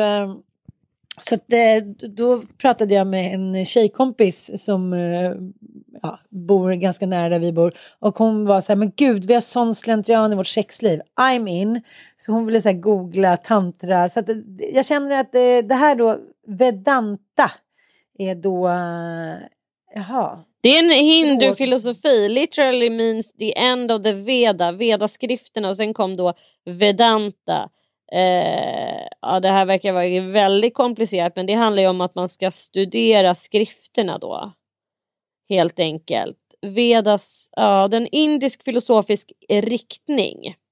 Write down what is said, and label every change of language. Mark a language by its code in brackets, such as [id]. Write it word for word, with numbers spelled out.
[sv] Eh, Så att, då pratade jag med en tjejkompis som ja, bor ganska nära där vi bor. Och hon var så här, men gud, vi har sån slentrian i vårt sexliv. [en] I'm in. [sv] Så hon ville så här googla tantra. Så att, jag känner att det här då, Vedanta, är då... Jaha. Det är en hindufilosofi. [en] Literally means the end of the Veda. [sv] Vedaskrifterna. Och sen kom då Vedanta. Eh, ja, det här verkar vara väldigt komplicerat, men det handlar ju om att man ska studera skrifterna då, helt enkelt. Vedas, ja, den indisk filosofisk riktning.